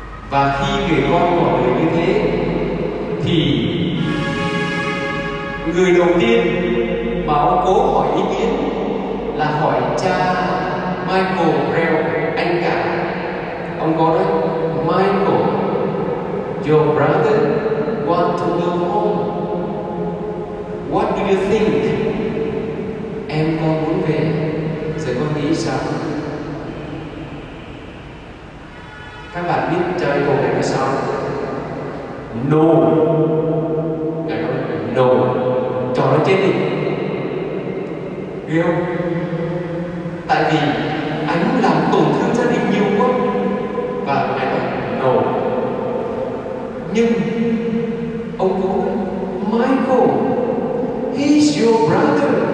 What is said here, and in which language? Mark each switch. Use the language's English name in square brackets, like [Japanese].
[Vietnamese] Và khi người con bỏ đời như thế thì người đầu tiên mà ông cố hỏi ý kiến là hỏi cha Michael Brel, anh cả. Ông có nói, [English] "Michael, your brother want to go home. What do you think?" [Vietnamese] "Em con muốn về." "Sẽ con nghĩ sao?" Các bạn biết trời cô này là sao? "No." Ngài nói, "No." Cho nó chết đi. Yêu. Tại vì anh làm tổn thương gia đình nhiều quá. Và ngài nói, "No." Nhưng ông cố, [English] "Michael, he's your brother.